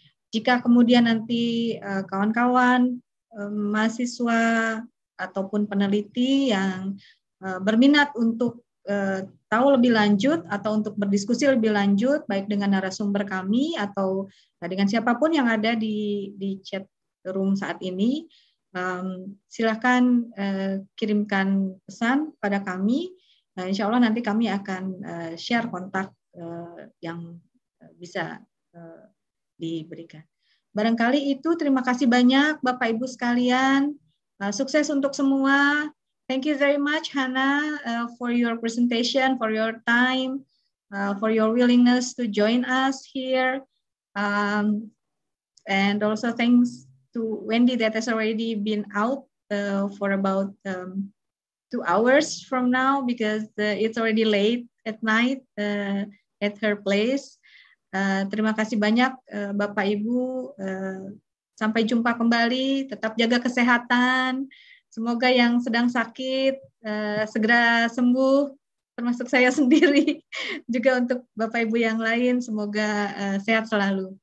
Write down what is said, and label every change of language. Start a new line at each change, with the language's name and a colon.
Indonesian: Jika kemudian nanti kawan-kawan mahasiswa ataupun peneliti yang berminat untuk tahu lebih lanjut atau untuk berdiskusi lebih lanjut, baik dengan narasumber kami atau dengan siapapun yang ada di chat room saat ini, silakan kirimkan pesan pada kami. Nah, insya Allah nanti kami akan share kontak yang bisa diberikan. Barangkali itu, terima kasih banyak Bapak Ibu sekalian. Sukses untuk semua.
English: Thank you very much, Hannah, for your presentation, for your time, for your willingness to join us here. And also thanks to Wendy that has already been out for about 2 hours from now, because it's already late at night at her place.
Indonesian: Terima kasih banyak Bapak Ibu, sampai jumpa kembali, tetap jaga kesehatan, semoga yang sedang sakit segera sembuh, termasuk saya sendiri, juga untuk Bapak Ibu yang lain, semoga sehat selalu.